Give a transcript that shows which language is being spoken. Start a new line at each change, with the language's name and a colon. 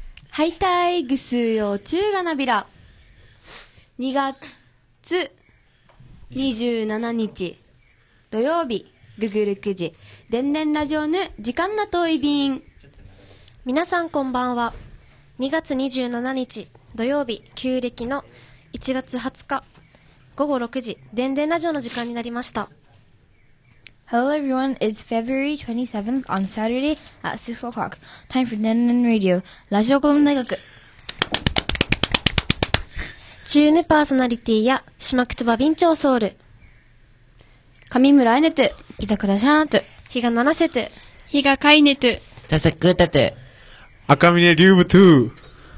Central Okinawan: ハイタイグスヨーチューガナビラ2月27日土曜日ググル9時デンデンラジオヌ時間なといびん。
Japanese: 皆さんこんばんは。 2月27日土曜日旧暦の1月20日午後6時デンデンラジオの時間になりました。
English: Hello everyone, it's February 27th on Saturday at 6 o'clock. Time for Denden Radio, ラジオコム大学。
Central Okinawan: チューヌパーソナリティや、シマクトバビンチョウソウル。上村エネト、イタクラシャント、ヒガナナセト、ヒガカイネト、タサクータト、赤峰リュームトゥー、